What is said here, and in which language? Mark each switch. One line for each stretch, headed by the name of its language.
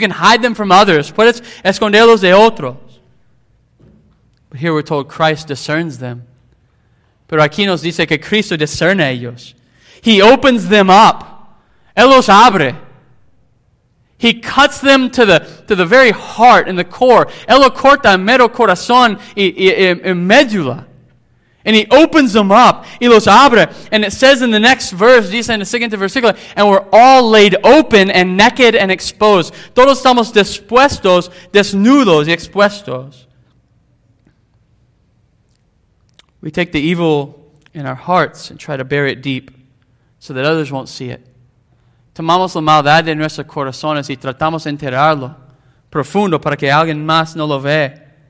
English: You can hide them from others.
Spanish: Puedes esconderlos de otros.
English: But here we're told Christ discerns them.
Spanish: Pero aquí nos dice que Cristo discerne ellos.
English: He opens them up.
Spanish: Él los abre.
English: He cuts them to the very heart and the core.
Spanish: Él lo corta en mero corazón y médula.
English: And he opens them up.
Spanish: Y los abre.
English: And it says in the next verse,
Spanish: dice en el siguiente versículo,
English: and we're all laid open and naked and exposed.
Spanish: Todos estamos dispuestos, desnudos y expuestos.
English: We take the evil in our hearts and try to bury it deep so that others won't see it.
Spanish: Tomamos la maldad de nuestros corazones y tratamos de enterrarlo profundo para que alguien más no lo vea.